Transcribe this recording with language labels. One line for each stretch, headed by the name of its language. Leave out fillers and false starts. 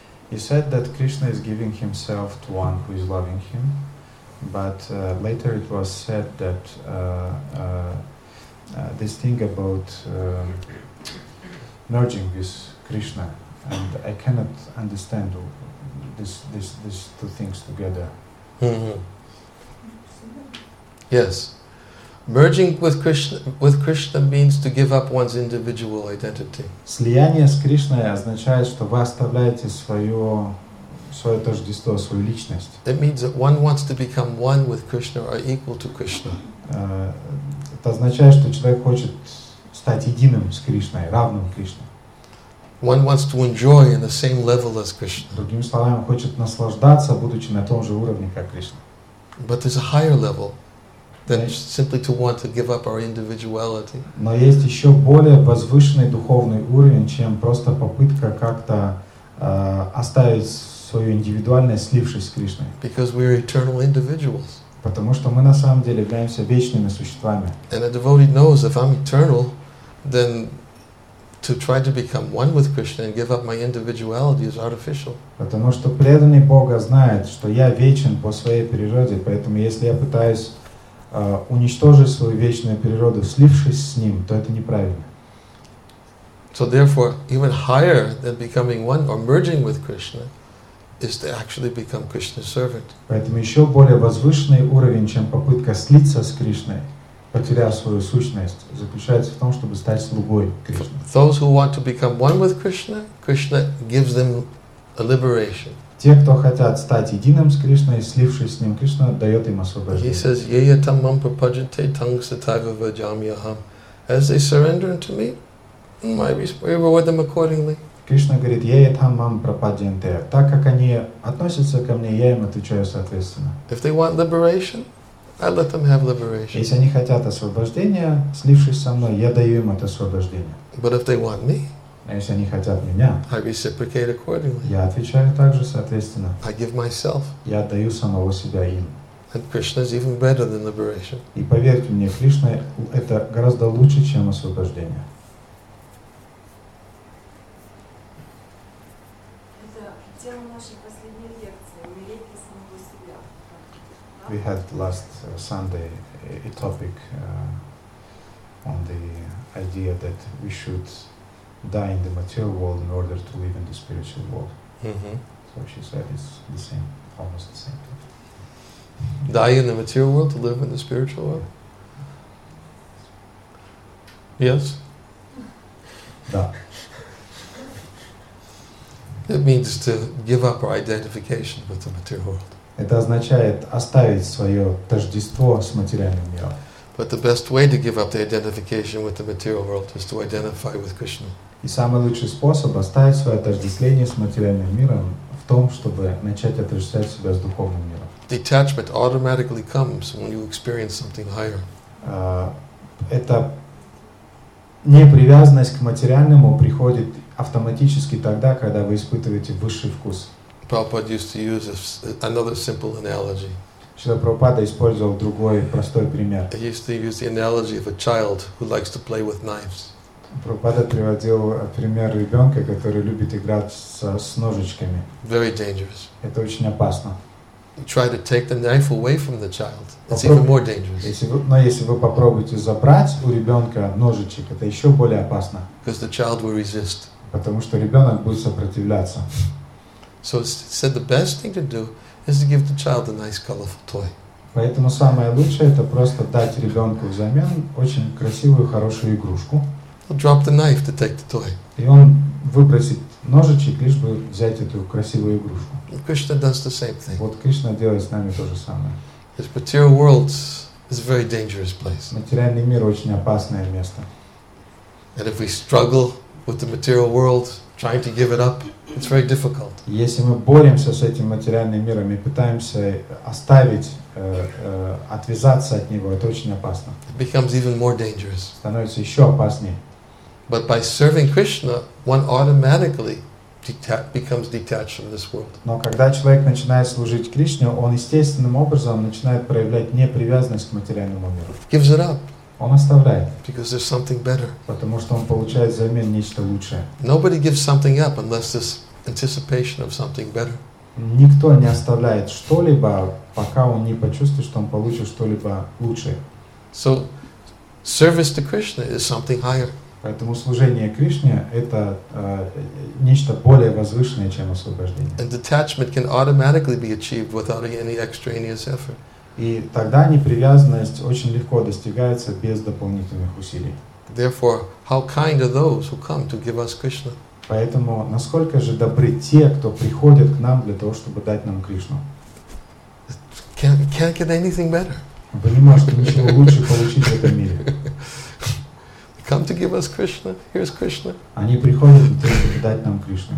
English: He said that Krishna is giving himself to one who is loving him, but later it was said that this thing about merging with Krishna, and I cannot understand this two things together. Mm-hmm. Yes. Merging with Krishna means to give up one's individual identity.
Russian: Слияние с Кришной означает, что вы оставляете свое тождество, свою личность.
English: It means that one wants to become one with Krishna or equal to Krishna.
Russian: Это означает, что человек хочет стать единым с Кришной, равным Кришне.
English: One wants to enjoy in the same level as Krishna.
Russian: Другими словами, хочет наслаждаться, будучи на том же уровне, как Кришна.
English: But there's a higher level than simply to want to give up our individuality.
Russian: Но есть еще более возвышенный духовный уровень, чем просто попытка как-то оставить свою индивидуальность, слившись с Кришной.
English: Because we are eternal individuals.
Russian: Потому что мы на самом деле являемся вечными существами.
English: And a devotee knows if I'm eternal, then to try to become one with Krishna and give up my individuality is artificial.
Russian: Потому что преданный Бога знает, что я вечен по своей природе, поэтому если я пытаюсь уничтожить свою вечную природу, слившись с ним, то это неправильно.
English: So therefore, even higher than becoming one or merging with Krishna is to actually become Krishna's servant.
Russian: Поэтому еще более возвышенный уровень, чем попытка слиться с Кришной, потеряв свою сущность, заключается в том, чтобы стать слугой Кришны.
English: For those who want to become one with Krishna, Krishna gives them a liberation.
Russian: Те, кто хотят стать единым с Кришной, слившись с ним, Кришна дает им освобождение.
English: He says,
Sanskrit: "Yeya tam mam prapajante tangsatava vajamyaham."
English: As they surrender unto me, my we reward them accordingly.
Russian: Кришна говорит,
Sanskrit: "Yeya tam mam prapajante."
Russian: Так как они относятся ко мне, я им отвечаю соответственно.
English: If they want liberation, I let them have liberation.
Russian: Если они хотят освобождения, слившись со мной, я даю им это освобождение.
English: But if they want me,
Russian: если они хотят меня,
English: I reciprocate accordingly.
Russian: Я отвечаю также соответственно.
English: I give myself.
Russian: Я отдаю самого себя им.
English: And Krishna is even better than liberation.
Russian: И поверьте мне, Кришна это гораздо лучше, чем освобождение.
English: We had last Sunday a topic on the idea that we should die in the material world in order to live in the spiritual world. Mm-hmm. So she said it's the same, almost the same thing. Die in the material world to live in the spiritual world? Yes?
Russian: Da.
English: It means to give up our identification with the material world.
Russian: Это означает оставить свое тождество с материальным миром.
English: But the best way to give up the identification with the material world is to identify with Krishna.
Russian: И самый лучший способ оставить свое отождествление с материальным миром в том, чтобы начать отождествлять себя с духовным миром.
English: Detachment automatically comes when you experience something higher.
Russian: Это непривязанность к материальному приходит автоматически тогда, когда вы испытываете высший вкус.
English: Prabhupada used to use another simple analogy.
Russian: Шрила Прабхупада использовал другой простой пример.
English: He used to use the analogy of a child who likes to play with knives.
Russian: Прабхупада приводил пример ребенка, который любит играть с ножичками.
English: Very dangerous.
Russian: Это очень опасно.
English: Try to take the knife away from the child. It's even more dangerous.
Russian: Если вы попробуете забрать у ребенка ножичек, это еще более опасно.
English: Because the child will resist.
Russian: Потому что ребенок будет сопротивляться.
English: So it said the best thing to do is to give the child a nice colorful toy.
Russian: Поэтому самое лучшее это просто дать ребенку взамен очень красивую хорошую игрушку.
English: He'll drop the knife to take the toy.
Russian: И он выбросит ножичек, лишь бы взять эту красивую игрушку.
English: And Krishna does the same thing.
Russian: Вот Кришна делает с нами то же самое.
English: This material world is a very dangerous place.
Russian: Материальный мир очень опасное место.
English: And if we struggle with the material world, trying to give it up, it's very difficult.
Russian: Если мы боремся с этим материальным миром и пытаемся оставить, отвязаться от него, это очень опасно.
English: It becomes even more dangerous.
Russian: Становится еще опаснее.
English: But by serving Krishna, one automatically becomes detached from this world.
Russian: Но когда человек начинает служить Кришне, он естественным образом начинает проявлять непривязанность к материальному миру.
English: Gives it up.
Russian: Он оставляет.
English: Because there's something better.
Russian: Потому что он получает взамен нечто лучшее.
English: Nobody gives something up unless there's anticipation of something better.
Russian: Никто не оставляет что-либо, пока он не почувствует, что он получит что-либо лучшее.
English: So, service to Krishna is something higher.
Russian: Поэтому служение Кришне — это нечто более возвышенное, чем освобождение.
English: And detachment can automatically be achieved without any extraneous effort.
Russian: И тогда непривязанность очень легко достигается без дополнительных усилий.
English: Therefore, how kind are those who come to give us Krishna?
Russian: Поэтому насколько же добры те, кто приходят к нам для того, чтобы дать нам Кришну?
English: Can't get anything better.
Russian: Вы не можете ничего лучше получить в этом мире.
English: Come to give us Krishna. Here's Krishna.
Russian: Они приходят для того, чтобы дать нам Кришну.